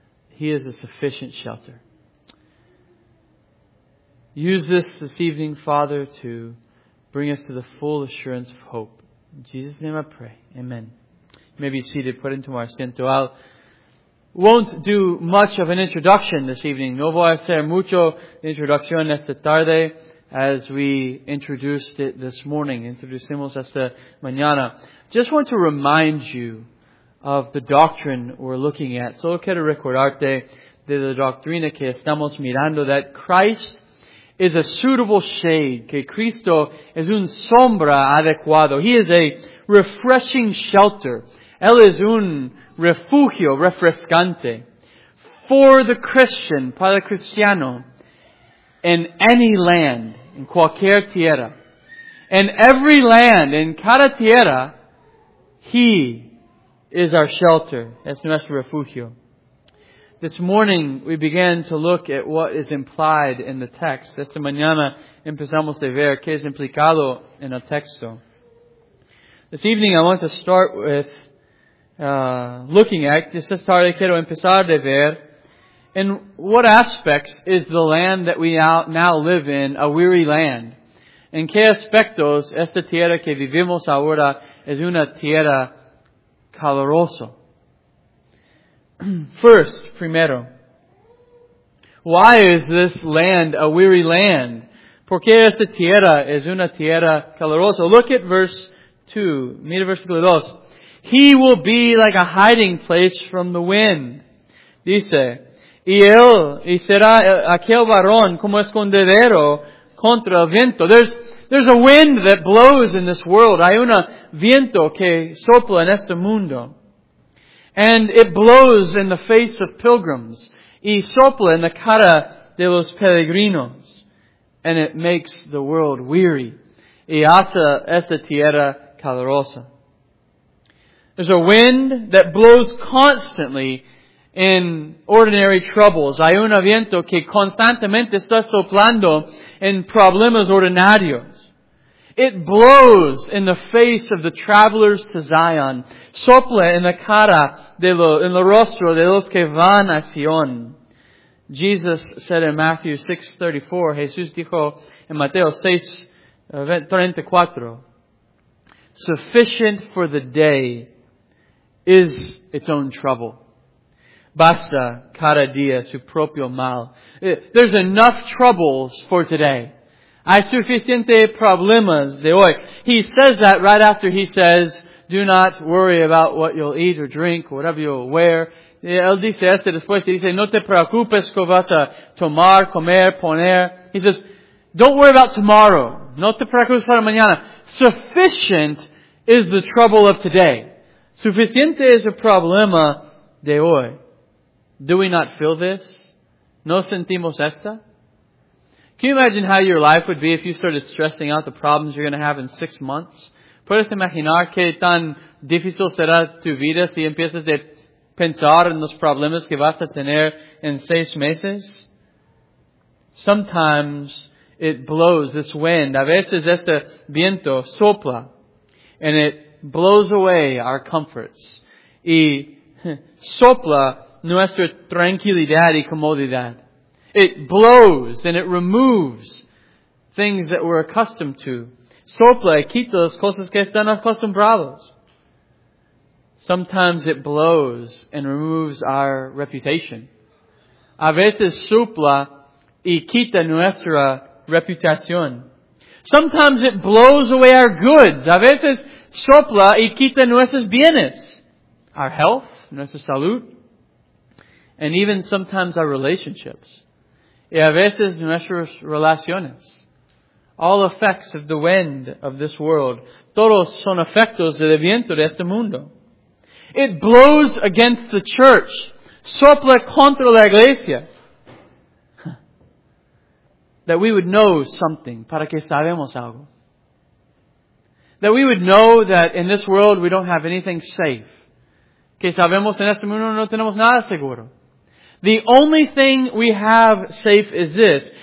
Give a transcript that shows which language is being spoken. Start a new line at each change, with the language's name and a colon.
English: He is a sufficient shelter. Use this evening, Father, to bring us to the full assurance of hope. In Jesus' name I pray. Amen. You may be seated. Put into our asiento. Won't do much of an introduction this evening.
Spanish: No voy a hacer mucho introducción esta tarde
English: as we introduced it this morning.
Spanish: Introducimos esta mañana.
English: Just want to remind you of the doctrine we're looking at.
Spanish: Solo quiero recordarte de la doctrina que estamos mirando,
English: that Christ is a suitable shade,
Spanish: que Cristo es un sombra adecuado.
English: He is a refreshing shelter.
Spanish: Él es un refugio refrescante
English: for the Christian,
Spanish: para el cristiano,
English: in any land,
Spanish: in cualquier tierra.
English: In every land,
Spanish: in cada tierra,
English: He is our shelter.
Spanish: Es nuestro refugio.
English: This morning, we began to look at what is implied in the text.
Spanish: Esta mañana empezamos a ver qué es implicado en el texto.
English: This evening, I want to start with looking at, this is
Spanish: tarde, quiero empezar de ver,
English: in what aspects is the land that we now live in a weary land?
Spanish: En qué aspectos esta tierra que vivimos ahora es una tierra calurosa?
English: First,
Spanish: primero,
English: why is this land a weary land?
Spanish: ¿Por qué esta tierra es una tierra calurosa?
English: Look at verse 2,
Spanish: mira versículo 2.
English: He will be like a hiding place from the wind.
Spanish: Dice, y él y será aquel varón como escondedero contra el viento.
English: There's a wind that blows in this world.
Spanish: Hay un viento que sopla en este mundo.
English: And it blows in the face of pilgrims.
Spanish: Y sopla en la cara de los peregrinos.
English: And it makes the world weary.
Spanish: Y hace esta tierra calurosa.
English: There's a wind that blows constantly in ordinary troubles.
Spanish: Hay un viento que constantemente está soplando en problemas ordinarios.
English: It blows in the face of the travelers to Zion.
Spanish: Sopla en la cara, en el rostro de los que van a Sion.
English: Jesus said in Matthew 6:34,
Spanish: Jesús dijo en Mateo 6:34,
English: sufficient for the day is its own trouble.
Spanish: Basta cada día su propio mal.
English: There's enough troubles for today.
Spanish: Hay suficiente problemas de hoy.
English: He says that right after he says, do not worry about what you'll eat or drink, whatever you'll wear.
Spanish: Él dice esto después. He dice, no te preocupes que vas a tomar, comer, poner.
English: He says, don't worry about tomorrow.
Spanish: No te preocupes para mañana.
English: Sufficient is the trouble of today.
Spanish: Suficiente es el problema de hoy.
English: Do we not feel this?
Spanish: ¿No sentimos esta?
English: Can you imagine how your life would be if you started stressing out the problems you're going to have in 6 months?
Spanish: ¿Puedes imaginar qué tan difícil será tu vida si empiezas a pensar en los problemas que vas a tener en 6 meses?
English: Sometimes it blows, this wind.
Spanish: A veces este viento sopla.
English: And it blows away our comforts.
Spanish: Y sopla nuestra tranquilidad y comodidad.
English: It blows and it removes things that we're accustomed to.
Spanish: Sopla y quita las cosas que están acostumbrados.
English: Sometimes it blows and removes our reputation.
Spanish: A veces sopla y quita nuestra reputación.
English: Sometimes it blows away our goods.
Spanish: A veces sopla y quita nuestros bienes.
English: Our health,
Spanish: nuestra salud.
English: And even sometimes our relationships.
Spanish: Y a veces nuestras relaciones.
English: All effects of the wind of this world.
Spanish: Todos son efectos del viento de este mundo.
English: It blows against the church.
Spanish: Sopla contra la iglesia.
English: That we would know something.
Spanish: Para que sabemos algo.
English: That we would know that in this world we don't have anything safe.
Spanish: Que sabemos en este mundo no tenemos nada seguro.
English: The only thing we have safe is this.